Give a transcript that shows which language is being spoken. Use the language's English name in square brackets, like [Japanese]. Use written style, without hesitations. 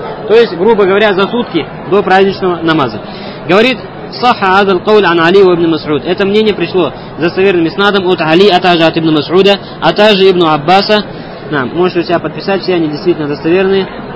[Russian] То есть, грубо говоря, за сутки до праздничного намаза. [Arabic] Говорит صح هذا القول عن علي وابن مسعود. [Russian] Это мнение пришло за достоверным иснадом от Али, а также от Ибн Масуда, а также Ибн Аббаса. Нам, можете у себя подписать, все они действительно достоверные.